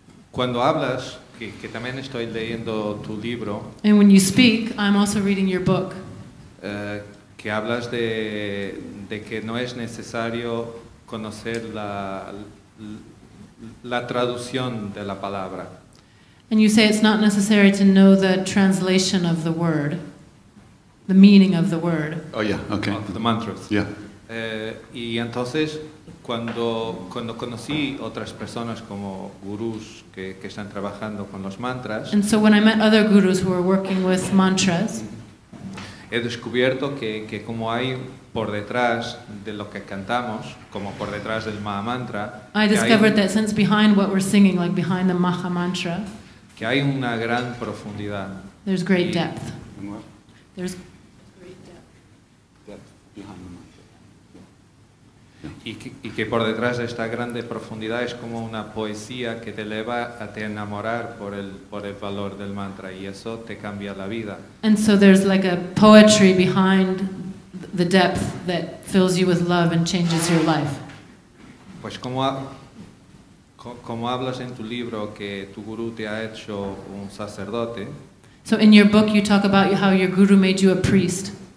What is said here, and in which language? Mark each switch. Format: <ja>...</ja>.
<es>Cuando hablas, que también estoy leyendo tu libro.</es> <en>And when you speak, I'm also reading your book.</en> <es>Que hablas de que no es necesario conocer la traducción de la palabra.</es> <en>And you say it's not necessary to know the translation of the word, the meaning of the word. Oh yeah, okay. Of the mantras. Yeah.</en> <es>Y entonces cuando conocí otras personas como gurús que están trabajando con los mantras.</es> <en>And so when I met other gurus who were working with mantras,</en> <es>he descubierto que como hay por detrás de lo que cantamos, como por detrás del maha mantra,</es> <en>I discovered that since behind what we're singing, like behind the maha mantra,</en> <es>que hay una gran profundidad.</es> <en>There's great depth. There's</en> <es>Y que por detrás de esta grande profundidad es como una poesía que te eleva a te enamorar por el valor del mantra y eso te cambia la vida.</es> <en>And so there's like a poetry behind the depth that fills you with love and changes your life.</en> <es>Pues como hablas en tu libro que tu guru te ha hecho un sacerdote.</es> <en>So in your book you talk about how your guru made you a priest.</en>